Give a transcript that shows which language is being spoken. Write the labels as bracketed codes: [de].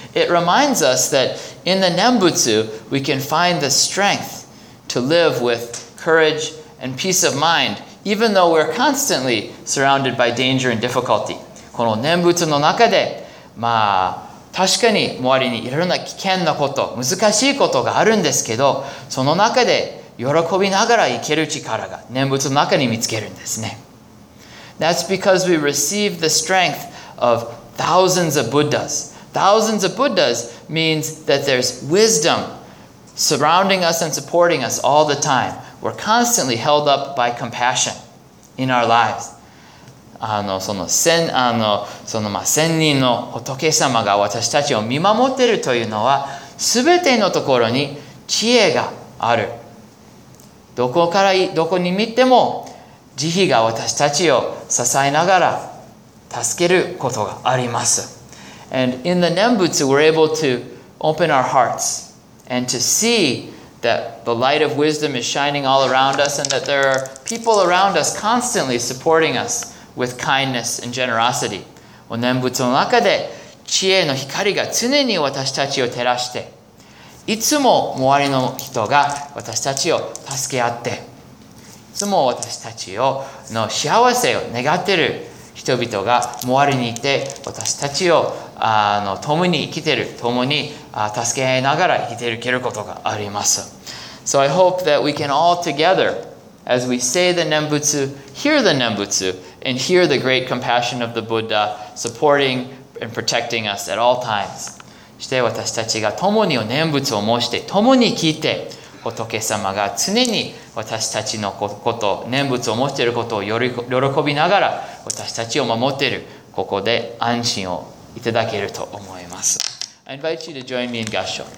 [en] It reminds us that in the Nembutsu, we can find the strength to live with courage and peace of mind, even though we're constantly surrounded by danger and difficulty. [ja] この念仏の中で、まあ、確かに周りにいろんな危険なこと、難しいことがあるんですけど、その中で喜びながら生ける力が念仏の中に見つけるんですね。 [en] That's because we receive the strength of thousands of Buddhas. Thousands of Buddhas means that there's wisdom surrounding us and supporting us all the time. We're constantly held up by compassion in our lives. [ja] まあ、千人の仏様が私たちを見守っているというのは、すべてのところに知恵がある。どこに見ても慈悲が私たちを支えながら助けることがあります。 [en] And in the Nembutsu, we're able to open our hearts and to see that the light of wisdom is shining all around us and that there are people around us constantly supporting us with kindness and generosity. [ja] お念仏の中で知恵の光が常に私たちを照らして、いつも周りの人が私たちを助け合って、いつも私たちの幸せを願っている人々が周りにいて、私たちを共に生きている、共に助け合いながら生きていけることがあります。 [en] So I hope that we can all together, as we say the Nembutsu, hear the Nembutsu, and hear the great compassion of the Buddha supporting and protecting us at all times. [ja] して私たちが共にお念仏を申して共に聞いて仏様が常に私たちのこと念仏を申していることを喜びながら私たちを守っているここで安心をいただけると思います。 [en] I invite you to join me in 合唱。